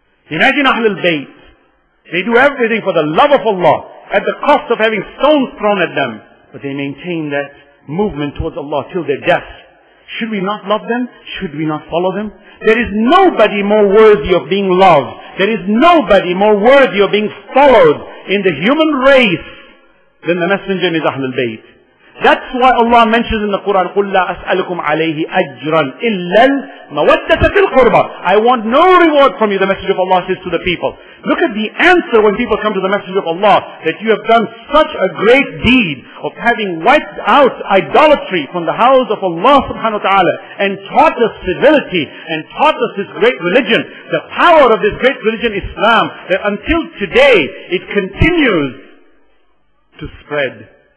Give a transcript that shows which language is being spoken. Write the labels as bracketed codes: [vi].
[en] Imagine Ahlul Bayt. They do everything for the love of Allah, at the cost of having stones thrown at them, but they maintain that movement towards Allah till their death. Should we not love them? Should we not follow them? There is nobody more worthy of being loved. There is nobody more worthy of being followed in the human race than the messenger and his Ahlul Bayt. That's why Allah mentions in the Quran, [ar] قُلْ لَا أَسْأَلُكُمْ عَلَيْهِ أَجْرًا إِلَّا الْمَوَدَّةَ فِي الْقُرْبَى. [en] I want no reward from you, the Messenger of Allah says to the people. Look at the answer when people come to the Messenger of Allah, that you have done such a great deed of having wiped out idolatry from the house of Allah subhanahu wa ta'ala and taught us civility and taught us this great religion, the power of this great religion, Islam, that until today it continues to spread.